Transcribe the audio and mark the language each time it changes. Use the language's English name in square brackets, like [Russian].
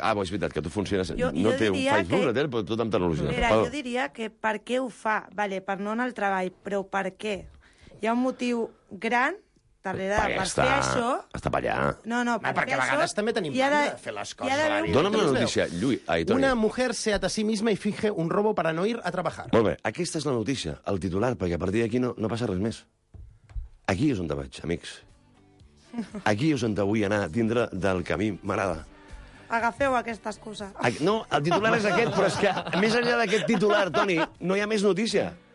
[Catalan] Ah, és veritat, que tu funciones... No té un Facebook, que... però tot amb tecnologia. Mira, jo diria que per què ho fa? Vale, per no anar al treball, però per què? Hi ha un motiu gran darrere de... Per fer això... Està allà. No, perquè a vegades això, també tenim manera de fer les coses. De... Dóna'm la notícia, Lluís. Ai, [Spanish] una mujer se ata a sí misma y finge un robo para no ir a trabajar. [Catalan] Molt bé, aquesta és la notícia, el titular, perquè a partir d'aquí no passa res més. Aquí és on te vaig, amics. Aquí és on vull anar, tindre del camí, m'agrada. Agafeu aquesta excusa. No, el titular és aquest, però és que més enllà d'aquest titular, Toni, no hi ha més notícia.